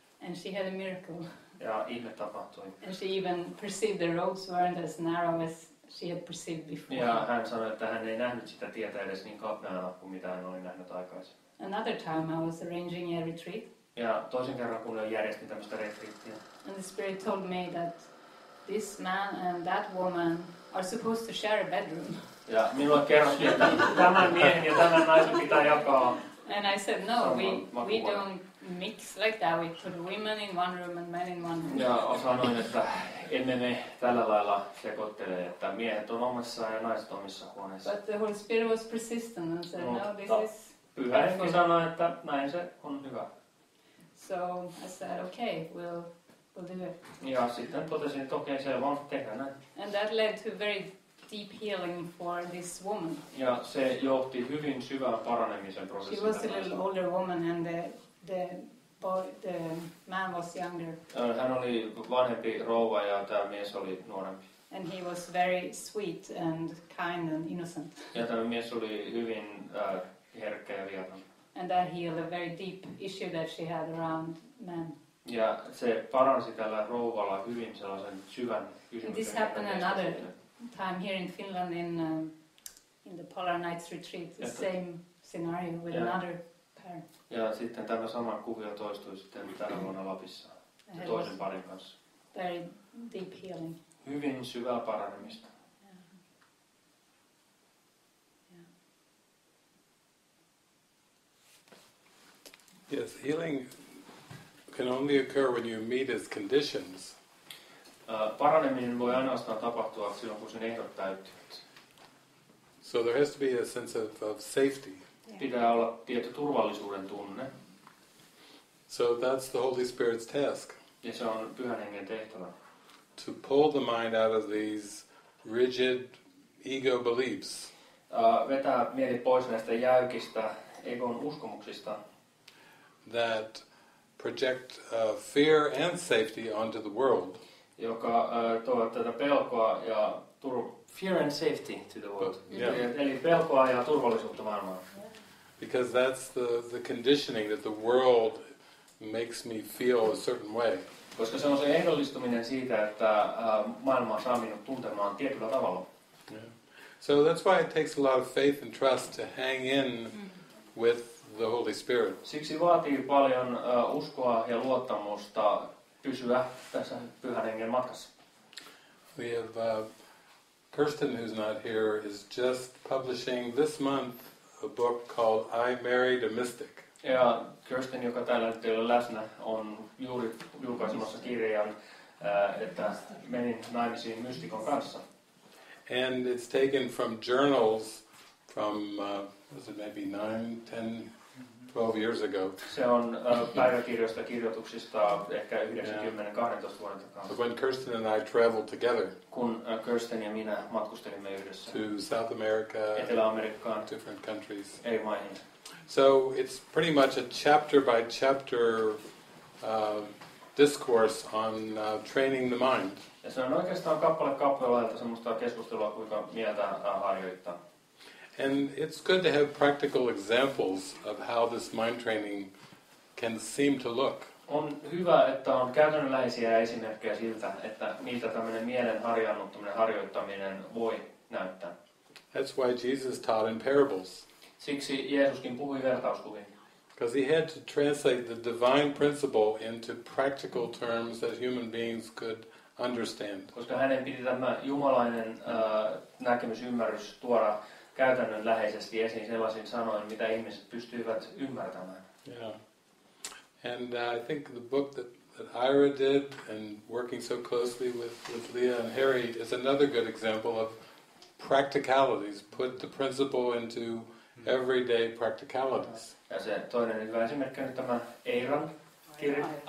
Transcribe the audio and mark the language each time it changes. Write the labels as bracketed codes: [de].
[en] And she had a miracle. [fi] Ja ihme tapahtui. [en] And she even perceived the roads weren't as narrow as she had perceived before. [fi] Ja hän sanoi, että hän ei nähnyt sitä tietä edes niin kapeana kuin mitä hän oli nähnyt aikaisemmin. [en] Another time I was arranging a retreat. [fi] Ja toisen kerran kun järjestin tämmöistä retriittiä. [en] And the spirit told me that this man and that woman are supposed to share a bedroom. [fi] Ja minulle kerrottiin, että tämän miehen ja tämän naisen pitää jakaa. [en] And I said no, we don't mix like that. We put women in one room and men in one room. [fi] Ja sanoin, että emme me tällä lailla sekoittele, että miehet on omassa ja naiset omissa huoneissa. [en] But the Holy Spirit was persistent and said, no, this is... [fi] Pyhä Henki sanoi, että näin se on hyvä. [en] So I said, okay, we'll do it. [fi] Ja sitten totesin, että okei, se on tehdä näin. [en] And that led to very deep healing for this woman. [fi] Ja se johti hyvin syvään paranemisen prosessiin. [en] She was a little older woman and the man was younger. [fi] Hän oli vanhempi rouva ja tämä mies oli nuorempi. [en] And he was very sweet and kind and innocent. [fi] Ja tämä mies oli hyvin herkkä ja viaton. [en] And that healed a very deep issue that she had around men. [fi] Ja se paransi tällä rouvalla hyvin sellaisen syvän kysymyksen. [en] And this happened another time here in Finland in the Polar Nights retreat. The same scenario with another. her. [fi] Ja sitten tämä sama kuvio toistui sitten tänä vuonna Lapissa ja toisen parin kanssa. [en] Very deep healing. [fi] Hyvin syvää paranemista. [en] Yes, healing can only occur when you meet its conditions. [fi] Paraneminen voi ainoastaan tapahtua silloin, kun sen ehdot täyttyvät. [en] So there has to be a sense of safety. [fi] Pitää olla tietty turvallisuuden tunne. [en] So that's the Holy Spirit's task. [fi] Ja se on Pyhän Hengen tehtävä. [en] To pull the mind out of these rigid ego beliefs. [fi] Vetää mieli pois näistä jäykistä egon uskomuksista. [en] That project fear and safety onto the world. [fi] Joka tuo tätä pelkoa ja [en] fear and safety to the world. Yeah. [fi] Eli pelkoa ja turvallisuutta maailmaan. [en] Because that's the conditioning that the world makes me feel a certain way. [fi] Koska se on se ehdollistuminen siitä, että maailma saa minut tuntemaan tietyllä tavalla. [en] Yeah. So that's why it takes a lot of faith and trust to hang in with the Holy Spirit. [fi] Siksi vaatii paljon uskoa ja luottamusta pysyä tässä Pyhän Hengen matkassa. [en] We have Kirsten, who's not here, is just publishing this month a book called I Married a Mystic. [fi] Ja Kirsten, joka täällä nyt ei ole läsnä, on juuri julkaisemassa kirjan, että menin naimisiin mystikon kanssa. [en] And it's taken from journals from, was it maybe 9, 10, 12 years ago. [fi] Se on päiväkirjoista kirjoituksista ehkä 90-12 vuoden takaa. [en] But when Kirsten and I traveled together. [fi] Kun Kirsten ja minä matkustelimme yhdessä. [en] To South America. [fi] Etelä-Amerikkaan. [en] Different countries. [fi] Eri maihin. [en] So it's pretty much a chapter by chapter discourse on training the mind. [fi] Ja se on oikeastaan kappale kappaleelta semmoista keskustelua, kuinka mieltä harjoittaa. [en] And it's good to have practical examples of how this mind training can seem to look. [fi] On hyvä, että on käytännöllisiä esimerkkejä siltä, että miltä tämmöinen mielen harjaannuttaminen, harjoittaminen voi näyttää. [en] That's why Jesus taught in parables. [fi] Siksi Jeesuskin puhui vertauskuvia. [en] Because he had to translate the divine principle into practical terms that human beings could understand. [fi] Koska hänen piti tämä jumalainen näkemys, ymmärrys tuoda käytännönläheisesti esiin sellaisin sanoin, mitä ihmiset pystyivät ymmärtämään. [en] Yeah. And I think the book that Ira did and working so closely with Leah and Harry is another good example of practicalities, put the principle into everyday practicalities. [fi] Ja se toinen hyvä esimerkki on tämä Eiran kirja.